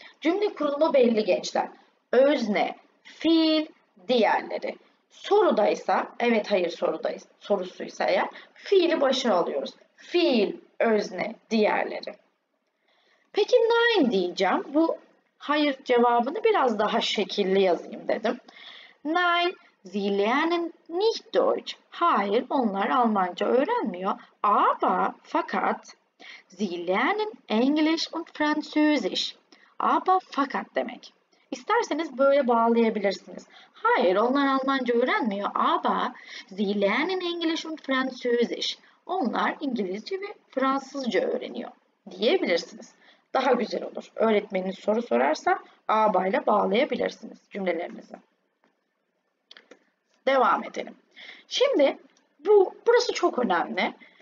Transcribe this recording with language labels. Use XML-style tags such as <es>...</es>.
<tr>Cümle kurulumu belli gençler. Özne, fiil, diğerleri. Sorudaysa, evet hayır sorudaysa, sorusuysa eğer fiili başa alıyoruz. Fiil, özne, diğerleri. Peki nein diyeceğim. Bu hayır cevabını biraz daha şekilli yazayım dedim.</tr> <de>Nein, sie lernen nicht Deutsch.</de> <tr>Hayır, onlar Almanca öğrenmiyor.</tr> <de>Aber, fakat, sie lernen Englisch und Französisch.</de> <tr>Aber, fakat demek. İsterseniz böyle bağlayabilirsiniz. Hayır, onlar Almanca öğrenmiyor.</tr> <de>Aber, sie lernen Englisch und Französisch.</de> <tr>Onlar İngilizce ve Fransızca öğreniyor. Diyebilirsiniz. Daha güzel olur. Öğretmeniniz soru sorarsa aba ile bağlayabilirsiniz cümlelerinizi. Devam edelim. Şimdi burası çok önemli.</tr>